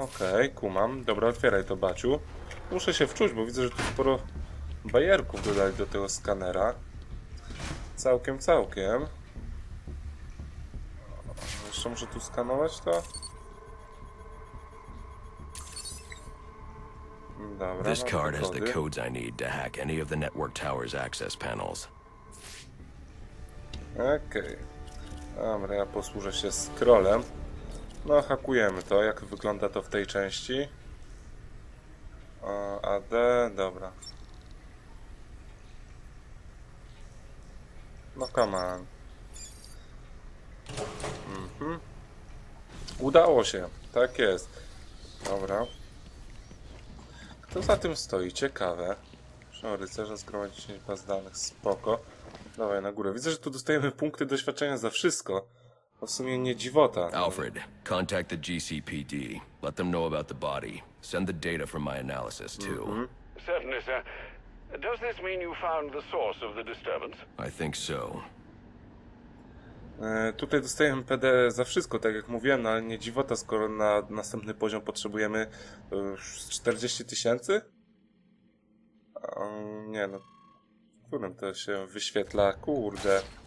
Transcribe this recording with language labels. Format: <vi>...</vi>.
<pl>Okej, kumam. Dobra, otwieraj to, baciu. Muszę się wczuć, bo widzę, że tu sporo bajerków dodali do tego skanera. Całkiem. Jeszcze muszę tu skanować to? Dobra,</pl> <en>this card has the codes I need to hack any of the network tower's access panels.</en> <pl>Okej. Dobra, ja posłużę się scrollem. No, hakujemy to. Jak wygląda to w tej części? AD, dobra.</pl> <en>No, come on.</en> <pl>Udało się. Tak jest. Dobra. Kto za tym stoi? Ciekawe. Proszę o rycerza zgromadzić baz danych. Spoko. Dawaj na górę. Widzę, że tu dostajemy punkty doświadczenia za wszystko. W sumie nie dziwota.</pl> <en>Alfred, contact the GCPD. Let them know about the body. Send the data from my analysis too. Certainly, sir. Does this mean you found the source of the disturbance? I think so.</en> <pl>Tutaj dostajemy PD za wszystko, tak jak mówiłem, no ale nie dziwota, skoro na następny poziom potrzebujemy 40 tysięcy? Nie no. Kurde, to się wyświetla, kurde.</pl>